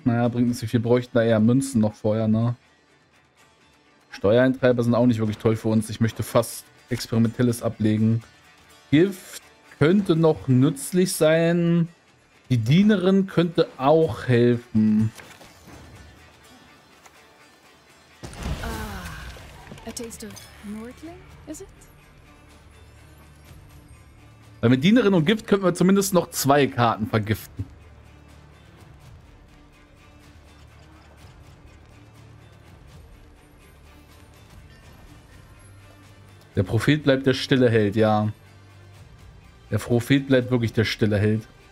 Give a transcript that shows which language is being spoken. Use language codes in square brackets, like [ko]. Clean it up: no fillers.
[de] Naja, bringt uns nicht viel, bräuchten da eher Münzen noch vorher, ne? Steuereintreiber sind auch nicht wirklich toll für uns. Ich möchte fast Experimentelles ablegen. Gift könnte noch nützlich sein. Die Dienerin könnte auch helfen. [en] A taste of Nordling, is it? [de] Weil mit Dienerin und Gift könnten wir zumindest noch zwei Karten vergiften. Der Prophet bleibt der stille Held, ja. Der Prophet bleibt wirklich der stille Held.